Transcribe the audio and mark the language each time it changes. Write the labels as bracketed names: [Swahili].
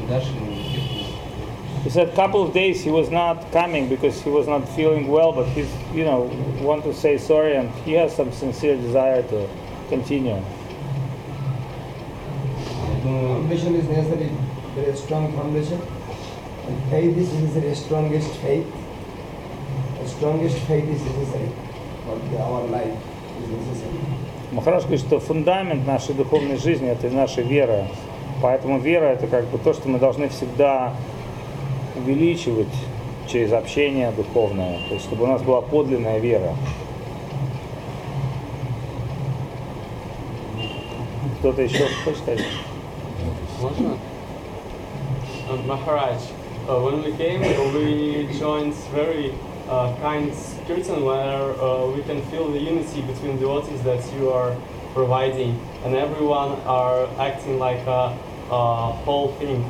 [English] He said a couple of days he was not coming because he was not feeling well, but he's want to say sorry and he has some sincere desire to continue. Foundation is necessary, very strong foundation. And faith is necessary, strongest faith. The strongest faith is necessary for our life is necessary. [Russian] Махарадж говорит, что фундамент нашей духовной жизни – это наша вера. Поэтому вера – это как бы то, что мы должны всегда увеличивать, через общение духовное, то есть чтобы у нас была подлинная вера. Кто-то еще хочет сказать? Можно? [English] Махарадж, when we came, we joined very kind kirtan, where we can feel the unity between the devotees that you are providing, and everyone are acting like a whole thing.